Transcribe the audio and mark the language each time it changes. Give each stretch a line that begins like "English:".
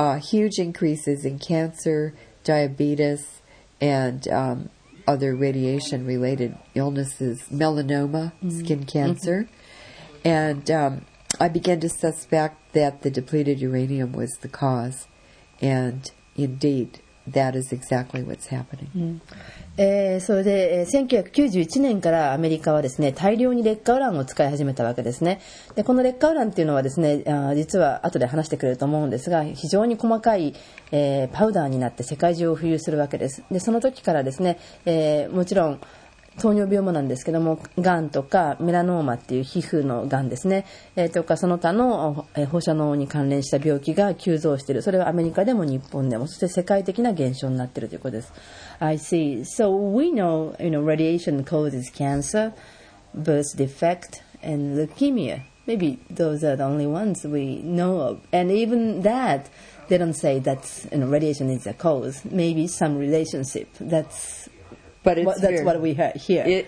English: Huge increases in cancer, diabetes, and other radiation-related illnesses, melanoma, skin cancer. And I began to suspect that the depleted uranium was the cause. And indeed, that is exactly what's happening.
Japanese: それで、1991年からアメリカはですね、大量に劣化ウランを使い始めたわけですね。で、この劣化ウランっていうのはですね、実は後で話してくれると思うんですが、非常に細かい、パウダーになって世界中を浮遊するわけです。で、その時からですね、もちろん糖尿病もなんですけども、がんとかメラノーマっていう皮膚のがんですね、とかその他の放射能に関連した病気が急増している。それはアメリカでも日本でも、そして世界的な現象になっているということです。
English: I see. So we know, you know, radiation causes cancer, birth defect, and leukemia. Maybe those are the only ones we know of. And even that, they don't say that, you know, radiation is a cause. Maybe some relationship. That's what we hear.